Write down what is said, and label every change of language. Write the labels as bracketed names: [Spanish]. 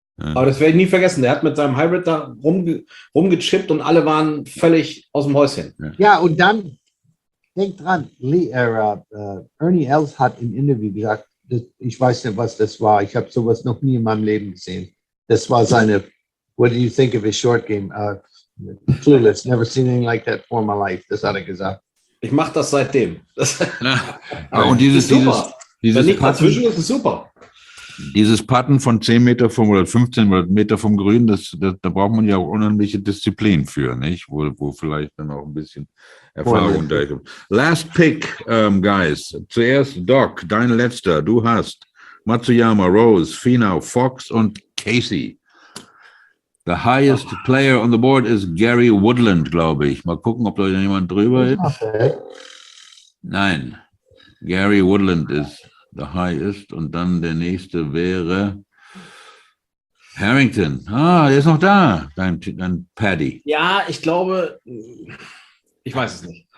[German] Aber das werde ich nie vergessen. Der hat mit seinem Hybrid da rumgechippt und alle waren völlig aus dem Häuschen. Ja, und dann... Denk dran, Ernie Els hat im Interview gesagt, ich weiß nicht, was das war, ich habe sowas noch nie in meinem Leben gesehen. Das war seine, [English] what do you think of his short game? Clueless, never seen anything like that for my life, [German] das hat er gesagt. Ich mache das seitdem. Ja, und dieses Putten von 10 Meter vom oder 15 Meter vom Grün, das, da braucht man ja auch unheimliche Disziplin für, nicht? Wo vielleicht dann auch ein bisschen Erfahrung da kommt. [English] Last pick, guys. [German] Zuerst Doc, dein letzter. Du hast Matsuyama, Rose, Finau, Fox und Casey. [English] The highest player on the board is Gary Woodland, [German] glaube ich. Mal gucken, ob da jemand drüber ist. Nein. Gary Woodland ist [English] the highest. [German] Und dann der nächste wäre Harrington. Ah, der ist noch da. Dein Paddy. Ja, ich glaube... Ich weiß es nicht.